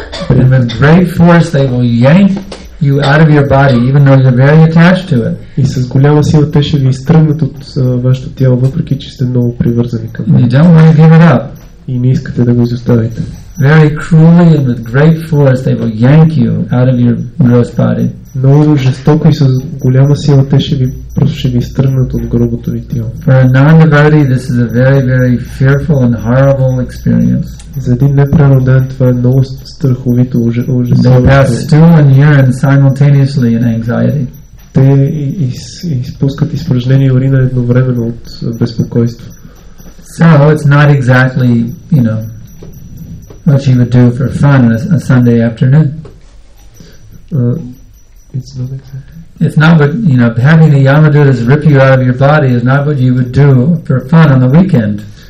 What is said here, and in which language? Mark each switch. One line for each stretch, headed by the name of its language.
English: And with great force they will yank you out of your body even though you're very attached to it.
Bulgarian: И с голяма сила те ще ви изтръгнат от вашето тяло, въпреки че сте много привързани към него.
English: You don't want to give it up.
Bulgarian: И не искате да го изоставите.
English: Very cruelly and with great force they will yank you out of your gross body.
Bulgarian: Много жестоко и с голяма сила те ще ви изтръгнат от грубото ви тяло.
English: For a non-devotee, this is a very, very fearful and horrible experience.
Bulgarian: За един непреродан това е много страховито, ужасяващо.
English: They pass stool and urine simultaneously in anxiety.
Bulgarian: Те изпускат изпражнение и урина едновременно от безпокойство.
English: So it's not exactly, you know, what you would do for fun on a Sunday afternoon. It's not exactly. It's not what, you know, having the Yamadutas rip you out of your body is not what you would do for fun on the weekend.